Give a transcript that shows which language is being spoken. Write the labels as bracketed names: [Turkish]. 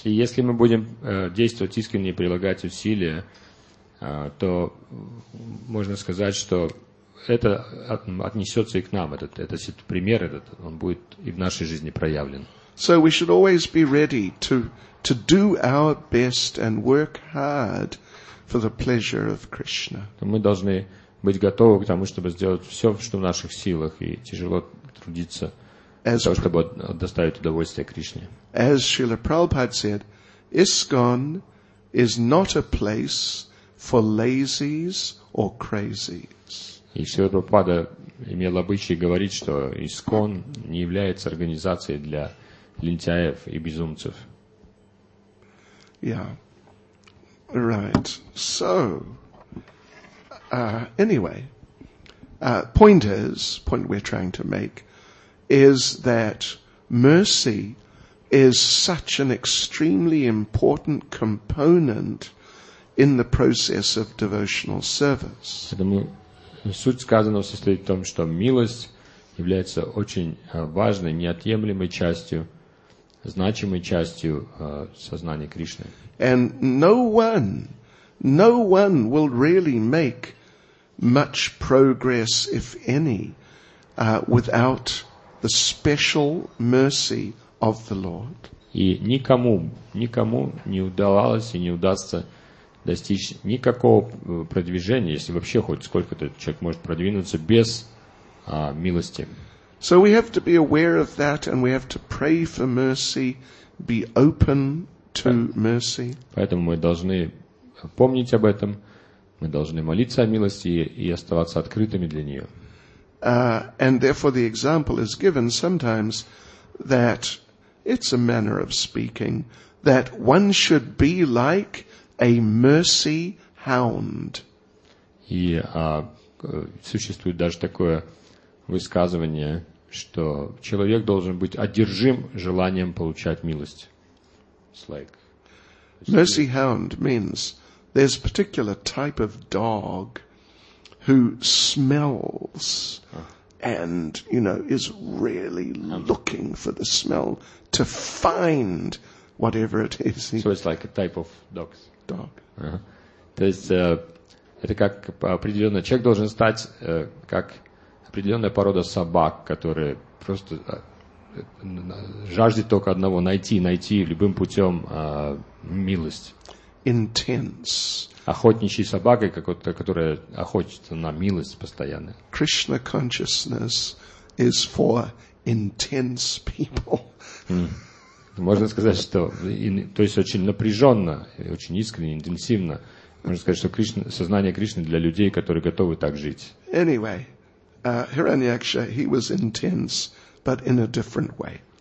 [Russian] И если мы будем действовать искренне и прилагать усилия, то можно сказать, что это отнесется и к нам. Этот пример, этот, он будет и в нашей жизни проявлен. [English] So we should always be ready to do our best and work hard for the pleasure of Krishna. [Russian] Мы должны быть готовы к тому, чтобы сделать все, что в наших силах, и тяжело трудиться, чтобы доставить удовольствие Кришне. [English] As Srila Prabhupada said, ISKCON is not a place for lazies or crazies. [Russian] И Шрила Прабхупада имел обычай говорить, что ИСККОН не является организацией для лентяев и безумцев. [English] Yeah. Right. So, anyway, point we're trying to make is that mercy is such an extremely important component in the process of devotional service. [Russian] Поэтому суть сказанного состоит в том, что милость является очень важной, неотъемлемой частью, значимой частью сознания Кришны. [English] And no one will really make much progress, if any, without the special mercy of the Lord. [Russian] И никому не удавалось и не удастся достичь никакого продвижения, если вообще хоть сколько-то человек может продвинуться без милости. [English] So we have to be aware of that, and we have to pray for mercy, be open to mercy. [Russian] Поэтому мы должны помнить об этом, мы должны молиться о милости и оставаться открытыми для нее. [English] And therefore the example is given sometimes that it's a manner of speaking that one should be like a mercy hound. [Russian] И существует даже такое высказывание, что человек должен быть одержим желанием получать милость. [English] Like, mercy hound means there's a particular type of dog who smells and, you know, is really looking for the smell to find whatever it is. So it's like a type of dogs. Dog. [Russian] То есть это как определенно человек должен стать как определенная порода собак, которая просто жаждет только одного — найти любым путем милость. [English] Intense. [Russian] Охотничьей собакой, которая охотится на милость постоянно. [English] Krishna consciousness is for intense people. [Russian] Можно сказать, что то есть очень напряженно, очень искренне, интенсивно. Можно сказать, что сознание Кришны для людей, которые готовы так жить. [English] Anyway. Hiranyaksha, he was intense, but in a different way.